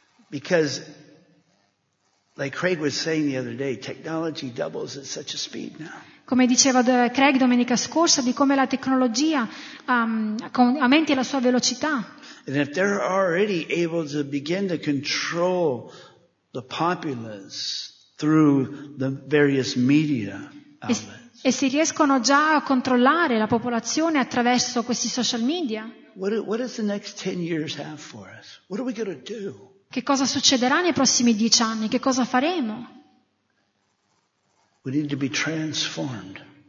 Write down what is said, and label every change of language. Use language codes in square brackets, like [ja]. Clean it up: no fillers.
[en] because like Craig was saying the other day, technology doubles at such a speed now. [it] Come diceva Craig domenica scorsa, di come la tecnologia aumenti la sua velocità. [en] And if they're already able to begin to control the populace through the various media outlets. [it] E si riescono già a controllare la popolazione attraverso questi social media? [en] What does the next 10 years have for us? What are we going to do? [it] Che cosa succederà nei prossimi 10 anni? Che cosa faremo? [en] We need to be transformed.